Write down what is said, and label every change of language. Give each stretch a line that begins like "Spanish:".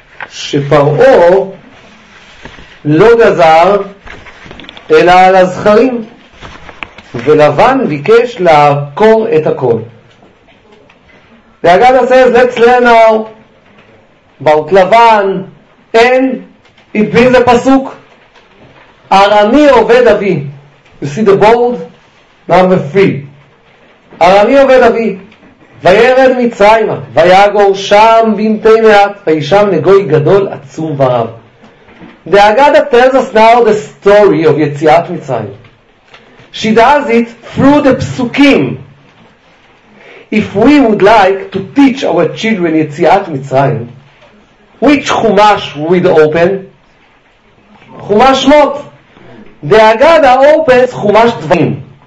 Hebrew: Shefar'o lo gazar אלא על הזכרים, ולבן ביקש לעקור את הכל.
English: והגדה says, let's learn now about לבן, and it brings a פסוק,
Hebrew: ארמי עובד אבי.
English: You see the bold number three.
Hebrew: ארמי עובד אבי, וירד מצרימה, ויגור שם במתי מעט, וישם נגוי גדול עצום ורב.
English: The Haggadah tells us now the story of Yetziat Mitzrayim. She does it through the Psukim. If we would like to teach our children Yetziat Mitzrayim, which Chumash would open? Chumash Mot. The Haggadah opens Chumash Dvarim.